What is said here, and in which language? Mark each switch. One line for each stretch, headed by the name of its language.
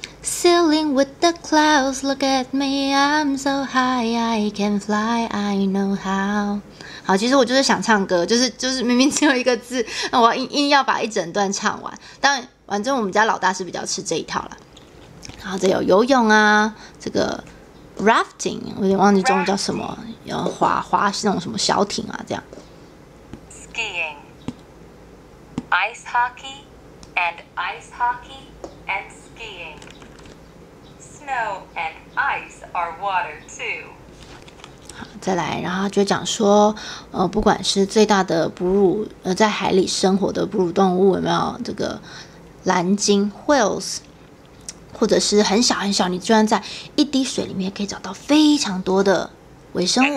English: Sailing with the clouds, look at me, I'm so high, I can fly, I know how.
Chinese: 好，其实我就是想唱歌，就是明明只有一个字，那我硬要把一整段唱完。但反正我们家老大是比较吃这一套了。然后这有游泳啊，这个 rafting， 我有点忘记中文叫什么，要划那种什么小艇啊，这样。
English: Skiing, ice hockey, and ice hockey and skiing. Snow and ice are water too.
Chinese: 再来，然后他就讲说，不管是最大的哺乳，在海里生活的哺乳动物有没有这个蓝鲸 whales， 或者是很小很小，你居然在一滴水里面可以找到非常多的微生物。